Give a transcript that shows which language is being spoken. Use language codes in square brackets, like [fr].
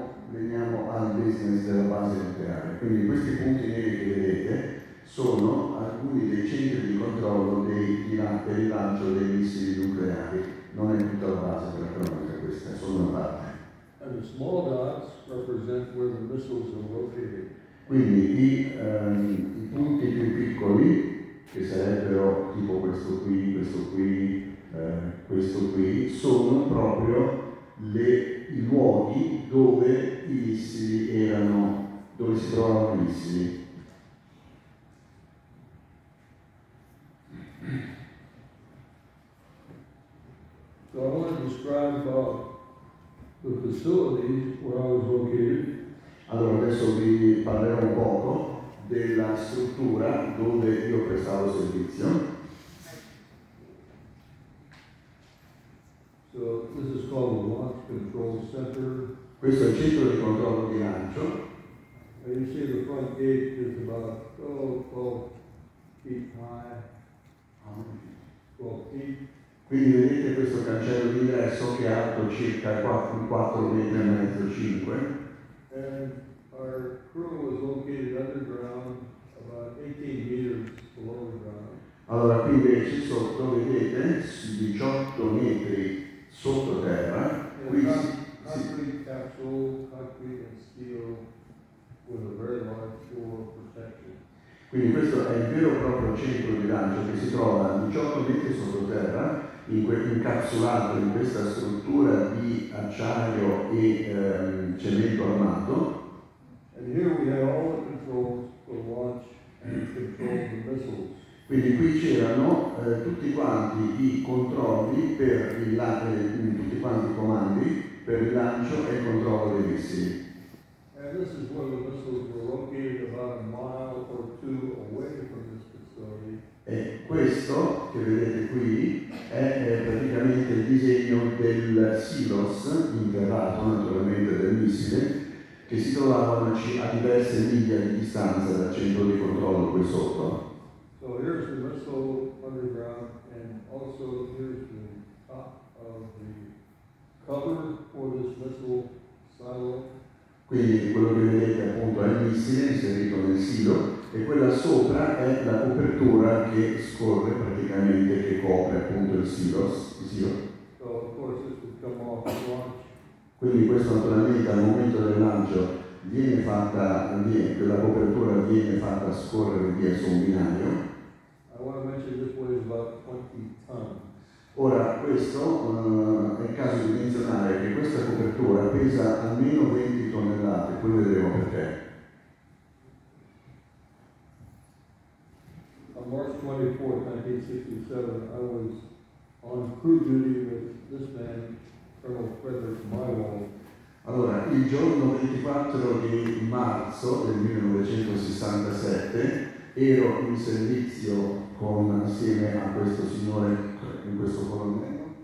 [it] Veniamo al business della base nucleare. Quindi questi punti neri che vedete sono alcuni dei centri di controllo del lancio dei missili nucleari. Non è tutta la base della cronaca questa, è solo una parte. [en] And the small dots represent where the missiles are located. [it] Quindi i punti più piccoli, che sarebbero tipo questo qui, questo qui, questo qui, sono proprio i luoghi dove i missili erano, dove si trovano i missili. [en] So I want to describe the facilities where I was located. [it] Allora, adesso vi parlerò un poco della struttura dove io prestavo servizio. [en] So this is called the Launch Control Center. [it] Questo è il centro di controllo di lancio. [en] And you see the front gate is about 12 feet high, 12 feet. [it] Quindi vedete questo cancello di ingresso che è alto circa 4 metri e mezzo, 5. [en] And our crew was located underground about 18 meters below the ground. [it] Allora, qui invece sotto vedete 18 metri sottoterra, [en] In [it] qui [en] concrete capsule, concrete and steel with a very large floor protection. [it] quindi questo è il vero e proprio centro di lancio che si trova a 18 metri sottoterra, incapsulato in questa struttura di acciaio e cemento armato. [en] And here we have all the controls for launch and control of the missiles. [it] Quindi qui c'erano tutti quanti i controlli per il tutti quanti i comandi per il lancio e il controllo dei missili. [en] And this is where the missiles were located, about a mile or two away from this facility. [it] E questo che vedete qui è praticamente il disegno del silos interrato naturalmente del missile che si trovava a diverse miglia di distanza dal centro di controllo qui sotto. [en] So here's the missile underground, and also here's the top of the cover for this missile silo. [it] Quindi quello che vedete appunto è il missile inserito nel silo e quella sopra è la copertura che scorre praticamente, che copre appunto il silos. [en] So of course this would come off at launch. [it] Quindi questo naturalmente al momento del lancio viene fatta, quella copertura viene fatta scorrere via su un binario. [en] I want to mention this weighs about 20 tons. [it] Ora, questo è il caso di menzionare che questa copertura pesa almeno 20 tonnellate, poi vedremo perché. [en] On March 24, 1967, I was on crew duty with this man, Colonel Frederick Mywald. [it] Allora, il giorno 24 di marzo del 1967 ero in servizio assieme a questo signore, in questo colonnello,